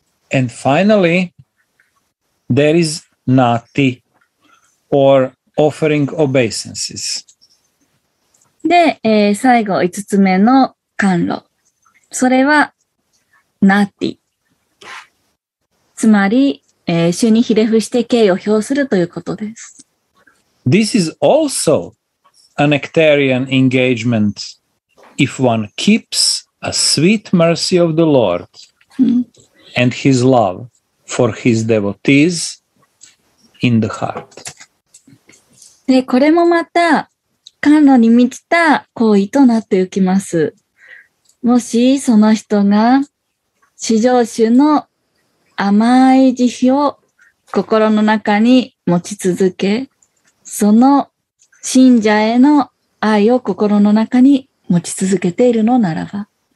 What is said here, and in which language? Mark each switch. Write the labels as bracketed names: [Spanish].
[English] And finally there is nattiOr offering obeisances。 [Japanese] で、最後5つ目の甘露、それはナーティ、つまり、主にひれ伏して敬意を表するということです。 [English] This is also a nectarian engagement if one keeps a sweet mercy of the Lord and his love for his devotees in the heart。 [Japanese] でこれもまた甘露に満ちた行為となっていきます。もしその人が至上主の甘い慈悲を心の中に持ち続け、その信者への愛を心の中に持ち続けているのならば、